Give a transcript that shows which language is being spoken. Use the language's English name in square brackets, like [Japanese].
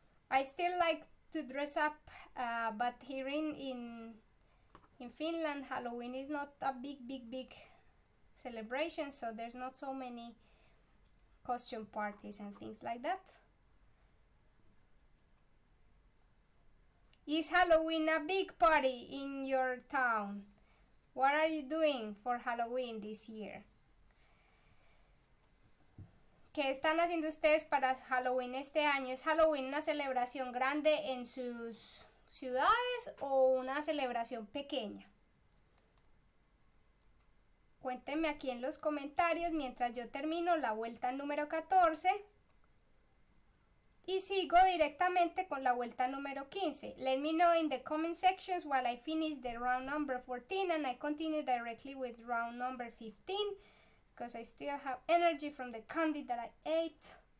[English] I still like to dress up, but here in Finland, Halloween is not a big celebration, so there's not so many costume parties and things like that. Is Halloween a big party in your town? What are you doing for Halloween this year? [Spanish] ¿Qué están haciendo ustedes para Halloween este año? ¿Es Halloween una celebración grande en sus ciudades o una celebración pequeña? Cuéntenme aquí en los comentarios mientras yo termino la vuelta número 14 y sigo directamente con la vuelta número 15. [English] Let me know in the comment sections while I finish the round number 14 and I continue directly with round number 15, because I still have energy from the candy that I ate.